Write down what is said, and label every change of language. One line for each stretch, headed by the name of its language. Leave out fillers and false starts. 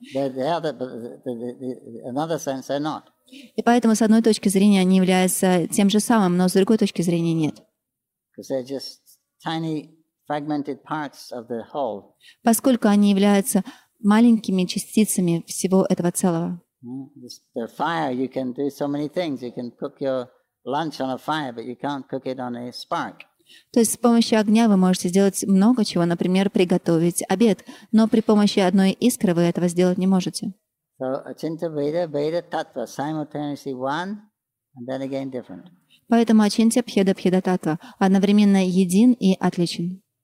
English: They're not.
Russian: И поэтому с одной точки зрения они являются тем же самым, но с другой точки зрения нет.
English: Just tiny parts of the whole.
Russian: Поскольку они являются маленькими частицами всего этого целого.
English: The fire, you can do so many things. You can cook your lunch on a fire, but you can't cook it on a spark.
Russian: То есть с помощью огня вы можете сделать много чего, например, приготовить обед, но при помощи одной искры вы этого сделать не можете. Поэтому Ачинтья Пхеда Пхеда Таттва одновременно един и отличен.